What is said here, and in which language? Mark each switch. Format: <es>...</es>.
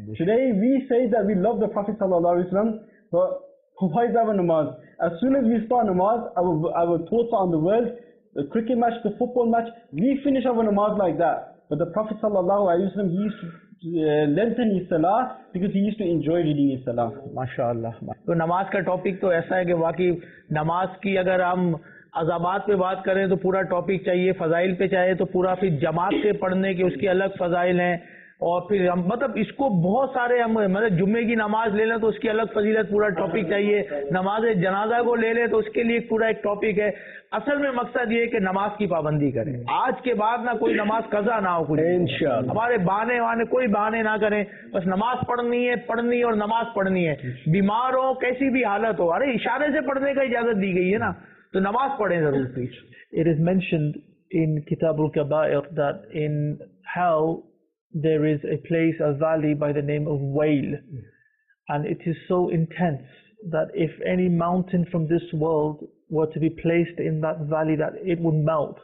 <en>Today we say that we love the Prophet sallallahu alayhi wa sallam, but why is our namaz? As soon as we start namaz, our thoughts are on the world, the cricket match, the football match, we finish our namaz like that. But the Prophet sallallahu alayhi wa sallam, he used to lengthen his salah because he used to enjoy reading his salah. MashaAllah.</en> <hi>So namaz ka topic to aisa hai ke waqi namaz ki agar hum अजामात पे बात करें तो पूरा topic चाहिए, फजाइल पे चाहिए तो पूरा, फिर जमात के पढ़ने के उसके अलग फजाइल हैं, और फिर हम मतलब इसको बहुत सारे हम मतलब जुम्मे की नमाज ले लें तो उसकी अलग फजीलत, पूरा टॉपिक चाहिए, नमाज जनाजा को ले लें तो उसके लिए पूरा एक टॉपिक है। असल में मकसद ये है कि नमाज की पाबंदी करें, आज के बाद ना कोई नमाज कजा ना हो, कुछ हमारे बहाने वाने कोई बहाने ना करें, बस नमाज पढ़नी है, पढ़नी है और नमाज पढ़नी है, बीमार हो कैसी भी हालत हो, अरे इशारे से पढ़ने का इजाजत दी गई है ना, तो नमाज पढ़ें जरूर।</hi> <en>Please, it is mentioned in Kitabul Kabair that in hell there is a place, a valley by the name of Wail. And it is so intense that if any mountain from this world were to be placed in that valley, that it would melt.</en>